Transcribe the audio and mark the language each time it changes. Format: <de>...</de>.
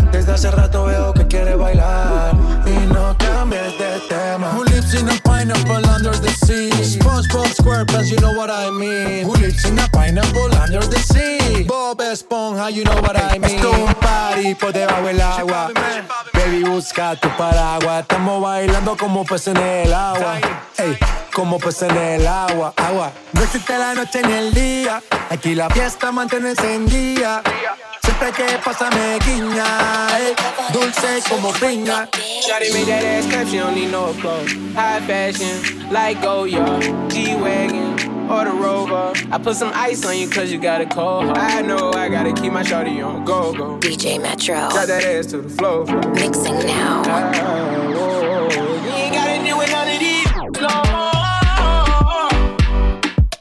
<es>hace rato veo que quiere bailar. Y no cambies de tema.</es> <en>Who lives in a pineapple under the sea? SpongeBob SquarePants, you know what I mean. Who lives in a pineapple under the sea? Bob Esponja, you know what I mean.</en> <es>Esto es un party por debajo del agua. Baby, busca tu paraguas. Estamos bailando como peces en el agua. Ey, como peces en el agua, agua. No existe la noche ni el día. Aquí la fiesta mantiene encendida. Siempre que pasa me guiña, dulce como piña.</es> <en>Shawty made that ass cut, she don't need no clothes. High fashion, like Goyard, G-Wagon, or the Rover. I put some ice on you cause you got a cold heart. I know I gotta keep my shawty on go-go. DJ Metro, drop that ass to the floor, bro. Mixing now. You ain't gotta deal with none of these no more.</en>